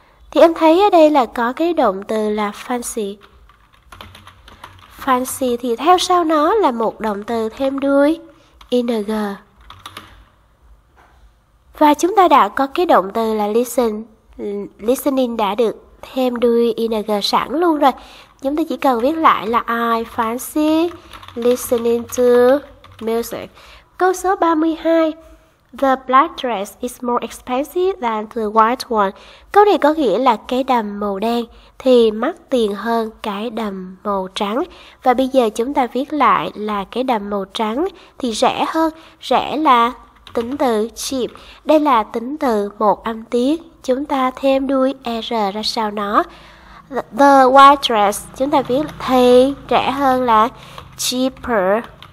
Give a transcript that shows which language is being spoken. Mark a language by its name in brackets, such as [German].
[Vietnamese] Thì em thấy ở đây là có cái động từ là fancy. Fancy thì theo sau nó là một động từ thêm đuôi ing. Và chúng ta đã có cái động từ là listen, listening đã được thêm đuôi ing sẵn luôn rồi. Chúng ta chỉ cần viết lại là [English] I fancy listening to music. [Vietnamese] Câu số 32, [English] the black dress is more expensive than the white one. [Vietnamese] Câu này có nghĩa là cái đầm màu đen thì mắc tiền hơn cái đầm màu trắng. Và bây giờ chúng ta viết lại là cái đầm màu trắng thì rẻ hơn. Rẻ là tính từ cheap. Đây là tính từ một âm tiết. Chúng ta thêm đuôi er ra sau nó. [English] The white dress, [Vietnamese] chúng ta viết thì rẻ hơn là cheaper.